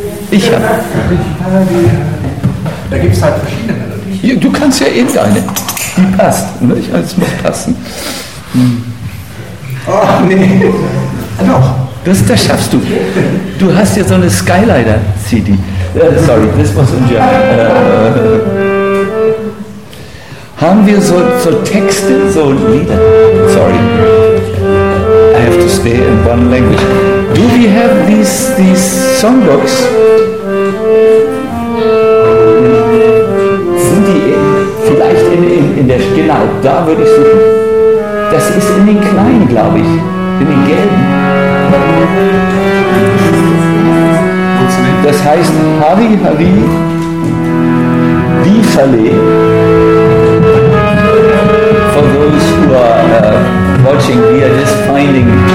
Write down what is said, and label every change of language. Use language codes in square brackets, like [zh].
[de] Ich habe. Da gibt es halt verschiedene Melodien. Du kannst ja eben deine. Die passt, nicht? Es muss passen. Oh, nee. Doch. Das schaffst du. Du hast ja so eine Skylider-CD. [en] Sorry, this was in German. [de] Haben wir so Texte, so Lieder? [en] Sorry. I have to stay in one language. Do we have these songbooks? [de] Sind die vielleicht in der, genau, da würde ich suchen. Das ist in den kleinen, glaube ich. In den gelben. Das heißt Hari Hari Bifale. [en] For those who are watching, we are just finding.